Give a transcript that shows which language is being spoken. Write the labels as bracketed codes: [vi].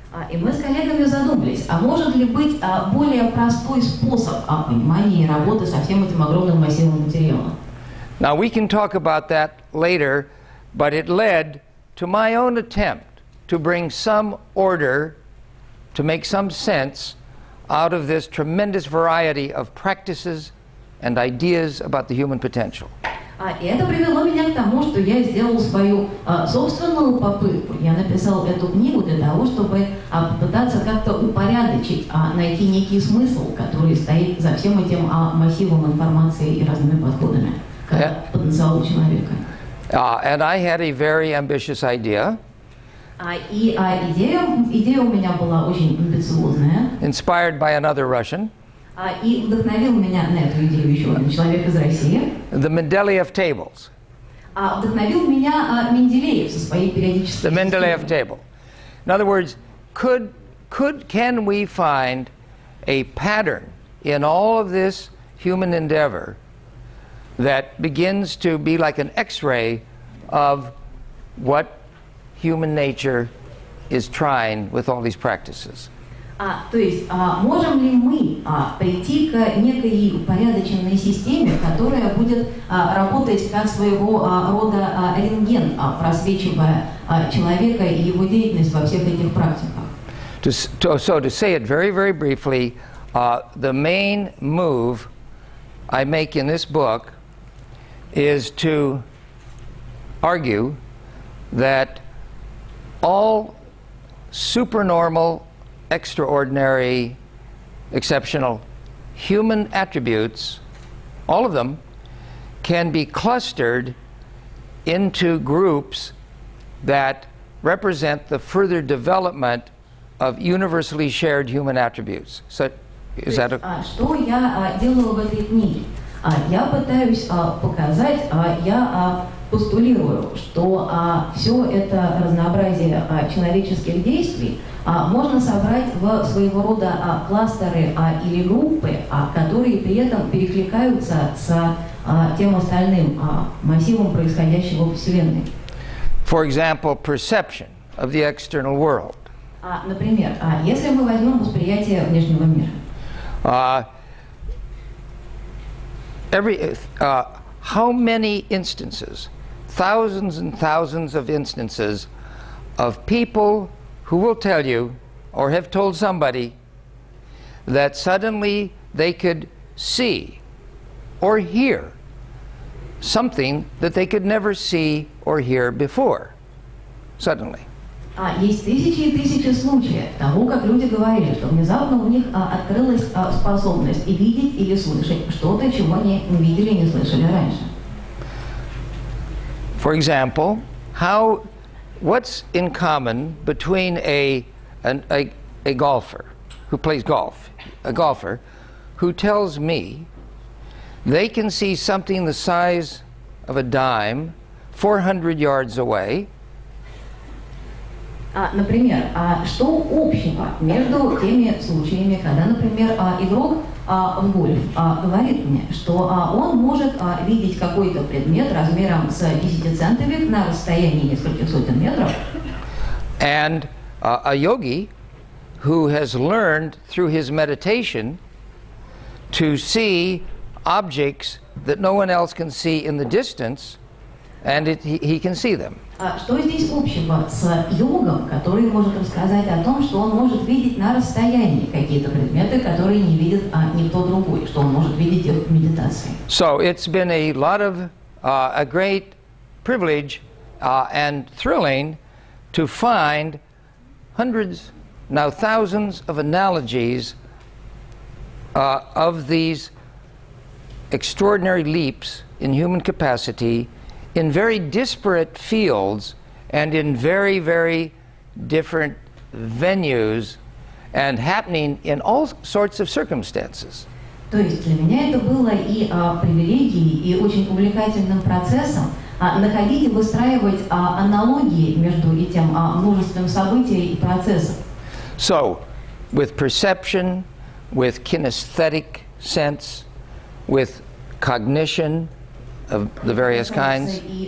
[ru] И мы с коллегами задумались, а может ли быть более простой способ понимания и работы со всем этим огромным массивом материала? [en] Now we can talk about that later, but it led to my own attempt to bring some order, to make some sense out of this tremendous variety of practices and ideas about the human potential. [ru] И это привело меня к тому, что я сделал свою собственную попытку. Я написал эту книгу для того, чтобы попытаться как-то упорядочить, найти некий смысл, который стоит за всем этим массивом информации и разными подходами к потенциалу человека. [en] And I had a very ambitious idea. [ru] Идея у меня была очень амбициозная. [en] Inspired by another Russian. [ru] И вдохновил меня на эту идею еще один человек из России. [en] The Mendeleev tables. [ru] Вдохновил меня Менделеев со своей периодической. [en] The Mendeleev table. In other words, can we find a pattern in all of this human endeavor that begins to be like an X-ray of what human nature is trying with all these practices? [ru] То есть, можем ли мы прийти к некой упорядоченной системе, которая будет работать как своего рода рентген, просвечивая человека и его деятельность во всех этих практиках? [en] To say it very, very briefly, the main move I make in this book is to argue that all supernormal, extraordinary, exceptional human attributes, all of them, can be clustered into groups that represent the further development of universally shared human attributes. So, is that a... [ru] Что я делаю в этой книге? Я пытаюсь показать, я постулирую, что все это разнообразие человеческих действий можно собрать в своего рода кластеры или группы, которые при этом перекликаются с тем остальным массивом происходящего во Вселенной. [en] For example, perception of the external world. [ru] Например, если мы возьмем восприятие внешнего мира. [en] How many instances, thousands and thousands of instances of people who will tell you or have told somebody that suddenly they could see or hear something that they could never see or hear before, suddenly? [ru] Есть тысячи и тысячи случаев того, как люди говорили, что внезапно у них открылась способность и видеть, или слышать что-то, чего они не видели и не слышали раньше. [en] For example, what's in common between a golfer who plays golf, a golfer who tells me they can see something the size of a dime 400 yards away? [ru] Например, что общего между теми случаями, когда, например, игрок в гольф говорит мне, что он может видеть какой-то предмет размером с 10 центовик на расстоянии нескольких сотен метров? [en] And a yogi who has learned through his meditation to see objects that no one else can see in the distance, and it, he can see them. [ru] Что здесь общего с йогом, который может рассказать о том, что он может видеть на расстоянии какие-то предметы, которые не видит никто другой, что он может видеть в медитации? [en] So it's been a lot of a great privilege and thrilling to find hundreds, now thousands of analogies of these extraordinary leaps in human capacity in very disparate fields and in very, very different venues and happening in all sorts of circumstances. [ru] То есть для меня это было и привилегией, и очень увлекательным процессом находить и выстраивать аналогии между этим множеством событий и процессов. [en] So, with perception, with kinesthetic sense, with cognition of the various kinds.